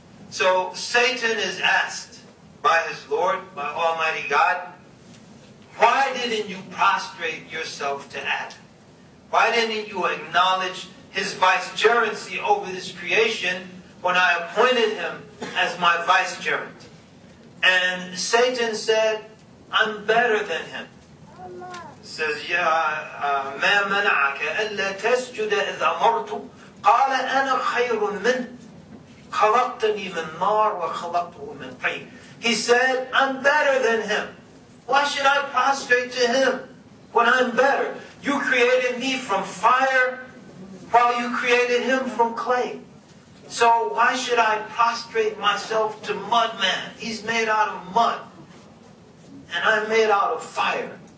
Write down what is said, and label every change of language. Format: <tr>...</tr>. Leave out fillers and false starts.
<en>So Satan is asked by his Lord, by Almighty God, why didn't you prostrate yourself to Adam? Why didn't you acknowledge his vicegerency over this creation when I appointed him as my vicegerent? And Satan said, I'm better than him. Says,</en> <ar>يا ما منعك ألا تسجد إذا أمرت قال أنا خير منه خلقتني من نار وخلقته من طين.</ar> <en>He said, I'm better than him. Why should I prostrate to him when I'm better? You created me from fire while you created him from clay. So why should I prostrate myself to mud man? He's made out of mud. And I'm made out of fire.</en>